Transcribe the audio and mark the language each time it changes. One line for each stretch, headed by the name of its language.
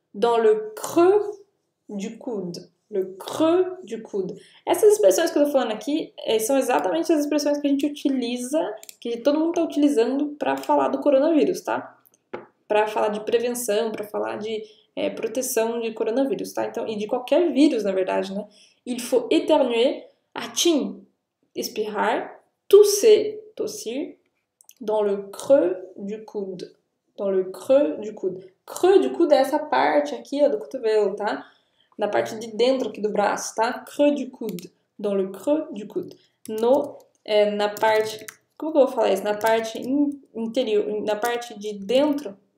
French: Dans le creux du coude. Le creux du coude.
Portuguese: Essas expressões que eu estou falando aqui são exatamente as expressões que a gente utiliza, que todo mundo está utilizando para falar do coronavírus, tá? Para falar de prevenção, para falar de proteção de coronavírus, tá? Então, e de qualquer vírus, na verdade, né?
French: Il faut éternuer, atin,
Portuguese: espirrar,
French: tousser,
Portuguese: tossir,
French: dans le creux du coude. Dans le creux du coude.
Portuguese: Creux du coude é essa parte aqui, ó, do cotovelo, tá? Na parte de dentro aqui do braço, tá? Creux du coude.
French: Dans le creux du coude.
Portuguese: No, na parte... Como que eu vou falar isso? Na parte interior, na parte de dentro...